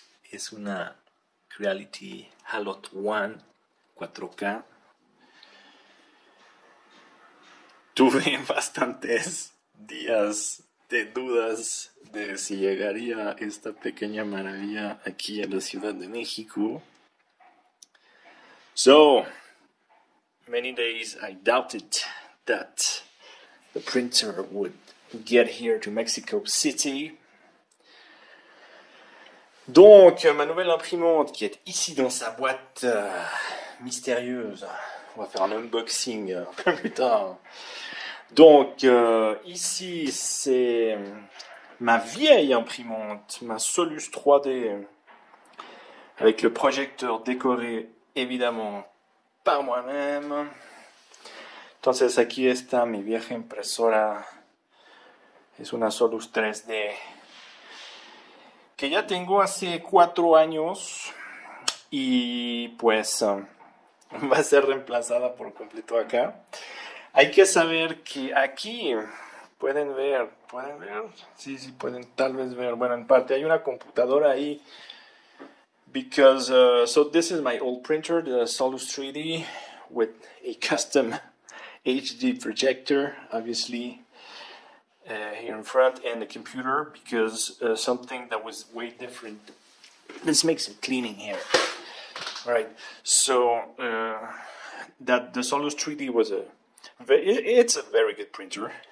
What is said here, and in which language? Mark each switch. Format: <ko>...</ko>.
<es>Es una Creativity Halot One 4K. Tuve bastantes días de dudas de si llegaría esta pequeña maravilla aquí a la Ciudad de México.</es> <en>So, many days I doubted that the printer would get here to Mexico City.</en> <fr>Donc, ma nouvelle imprimante qui est ici dans sa boîte mystérieuse. On va faire un unboxing un peu plus tard. Donc, ici, c'est ma vieille imprimante, ma Solus 3D, avec le projecteur décoré, évidemment, par moi-même.</fr> <es>Entonces, aquí está mi vieja impresora. Es una Solus 3D que ya tengo hace 4 años y pues va a ser reemplazada por completo acá. Hay que saber que aquí pueden ver, sí, pueden tal vez ver, bueno, en parte hay una computadora ahí.</es> <en>Because, so this is my old printer, the Solus 3D with a custom HD projector, obviously, here in front, and the computer, because something that was way different. Let's make some cleaning here. All right, so that the Solus 3D was a, it's a very good printer.</en>